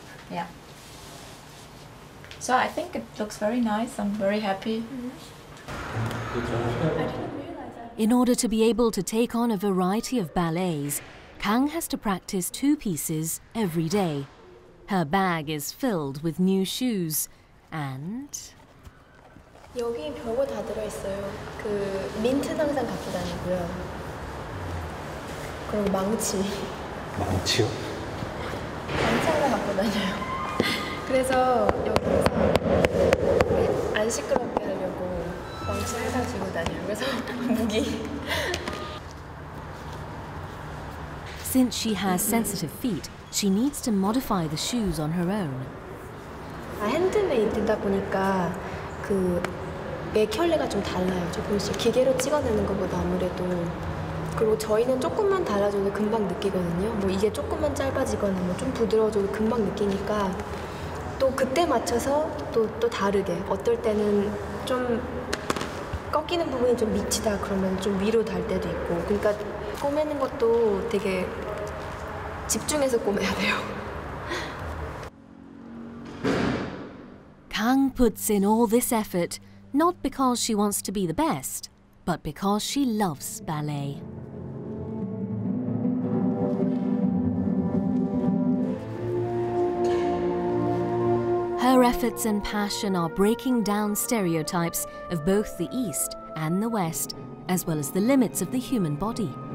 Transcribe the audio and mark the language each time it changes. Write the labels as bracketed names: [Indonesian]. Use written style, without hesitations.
[English] Yeah. So I think it looks very nice. I'm very happy. In order to be able to take on a variety of ballets, Kang has to practice two pieces every day. Her bag is filled with new shoes and... [Korean] 여기 별거 다 들어있어요. 민트는 항상 갖고 다니고요. 그리고 망치. 망치요? 망치를 갖고 다녀요. 그래서 여기서 안 시끄럽게 하려고 망치 항상 들고 다녀요. 그래서 무기. [English] Since she has sensitive feet, she needs to modify the shoes on her own. [Korean] 핸드메이드다 보니까 그 매 켤레가 좀 달라요. 저 보시면 기계로 찍어내는 것보다 아무래도 그리고 저희는 조금만 달라져도 금방 느끼거든요. 뭐 이게 조금만 짧아지거나 뭐 좀 부드러워져도 금방 느끼니까 또 그때 맞춰서 또 다르게 어떨 때는 좀 꺾이는 부분이 좀 미치다 그러면 좀 위로 달 때도 있고 그러니까 꿰매는 것도 되게 집중해서 꿰매야 돼요. [English] Kang puts in all this effort not because she wants to be the best, but because she loves ballet. Her efforts and passion are breaking down stereotypes of both the East and the West, as well as the limits of the human body.